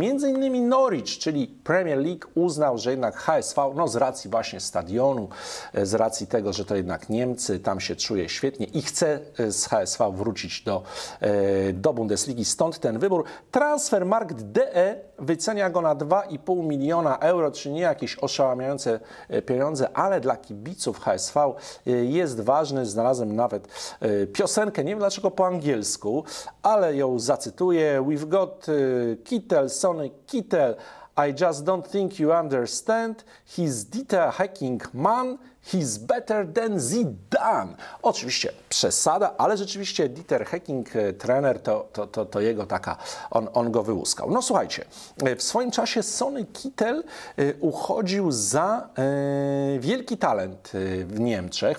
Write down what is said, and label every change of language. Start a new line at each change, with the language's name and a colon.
Polish: Między innymi Norwich, czyli Premier League, uznał, że jednak HSV, no z racji właśnie stadionu, z racji tego, że to jednak Niemcy, tam się czuje świetnie i chce z HSV wrócić do Bundesligi, stąd ten wybór. Transfermarkt.de wycenia go na 2,5 miliona euro, czyli nie jakieś oszałamiające pieniądze, ale dla kibiców HSV jest ważny. Znalazłem nawet piosenkę, nie wiem dlaczego po angielsku, ale ją zacytuję.
English: We've got Kittel, Sonny Kittel, I just don't think you understand. He's detail hacking man, he's better than Zidane.
Polish: Oczywiście przesada, ale rzeczywiście Dieter Hecking, trener, to jego taka, on go wyłuskał. No słuchajcie, w swoim czasie Sonny Kittel uchodził za wielki talent w Niemczech.